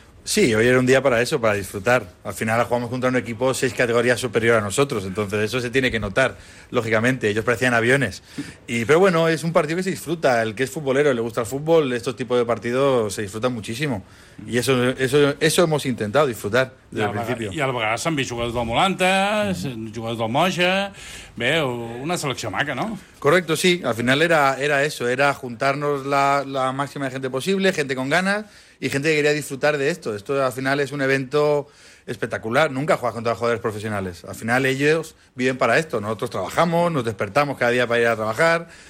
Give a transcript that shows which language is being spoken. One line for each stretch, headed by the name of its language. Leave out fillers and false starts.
Spanish: Sí, hoy era un día para eso, para disfrutar. Al final jugamos contra un equipo 6 categorías superior a nosotros, entonces eso se tiene que notar, lógicamente. Ellos parecían aviones. Pero bueno, es un partido que se disfruta. El que es futbolero, le gusta el fútbol, estos tipos de partidos se disfrutan muchísimo. Y eso hemos intentado, disfrutar desde el principio.
Catalan: I a la vegada s'han vist jugadors del Molanta, jugadors del Moja... Bé, una selecció maca, no?
Spanish: Correcto, sí. Al final era eso, era juntarnos la máxima de gente posible, gente con ganas, y gente que quería disfrutar de esto. Esto al final es un evento espectacular. Nunca juegas contra jugadores profesionales. Al final ellos viven para esto. Nosotros trabajamos, nos despertamos cada día para ir a trabajar.